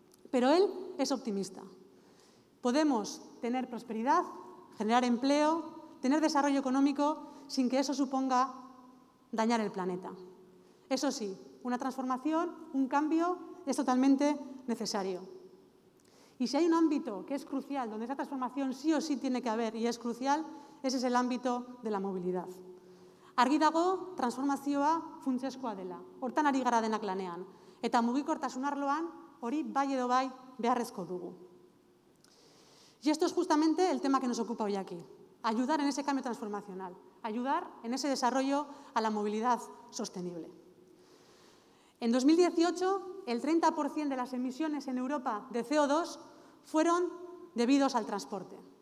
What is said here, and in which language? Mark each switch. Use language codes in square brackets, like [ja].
[es] Pero él es optimista. Podemos tener prosperidad, generar empleo, tener desarrollo económico sin que eso suponga dañar el planeta. Eso sí, una transformación, un cambio es totalmente necesario. Y si hay un ámbito que es crucial, donde esa transformación sí o sí tiene que haber y es crucial, ese es el ámbito de la movilidad. [eu] Argi dago, transformazioa funtsezkoa dela. Hortan ari gara denak lanean. Eta mugikortasun arloan, hori bai edo bai beharrezko dugu. [es] Y esto es justamente el tema que nos ocupa hoy aquí. Ayudar en ese cambio transformacional, ayudar en ese desarrollo a la movilidad sostenible. En 2018, el 30% de las emisiones en Europa de CO2 fueron debidos al transporte.